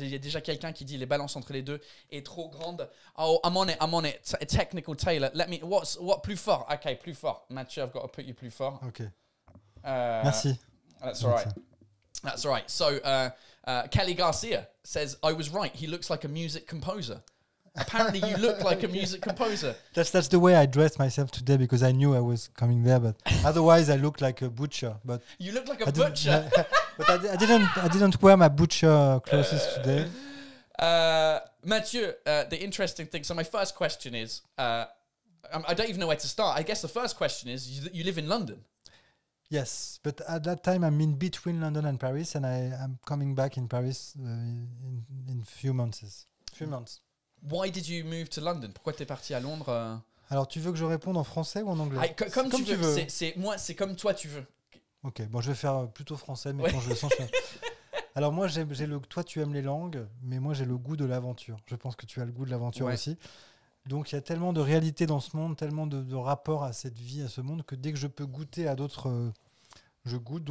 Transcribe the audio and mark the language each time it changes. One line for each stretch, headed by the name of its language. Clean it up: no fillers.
French: Il y a déjà quelqu'un qui dit les balances entre les deux est trop grande.
English: Oh, I'm on it. Technical Taylor. Let me. What
French: plus fort?
English: Ok, plus fort. Mathieu, I've got to put you
French: plus fort. Ok. Merci.
English: That's alright. That's all right. So, Kelly Garcia says, I was right. He looks like a music composer. Apparently, you look like a music composer. That's the way I dressed myself today because I knew I was coming there. But otherwise, I look like a butcher. But you look like a butcher. But I didn't wear my butcher clothes today. Mathieu, the interesting thing. So, my first question is, I don't even know where to start. I guess the first question is, you live in London. Yes, but at that time I'm in between London and Paris, and I'm coming back in Paris in few months. Why did you move to London?
French: Pourquoi t'es parti à Londres? Alors, tu veux que je réponde en français ou en anglais? Comme tu veux. C'est comme toi tu veux. Ok, bon, je vais faire plutôt français, mais ouais. Quand je le sens. Je... Alors moi, toi tu aimes les langues, mais moi j'ai le goût de l'aventure. Je pense que tu as le goût de l'aventure aussi. Donc il y a tellement de réalité dans ce monde, tellement de rapports à cette vie, à ce monde, que dès que je peux goûter à d'autres, je goûte.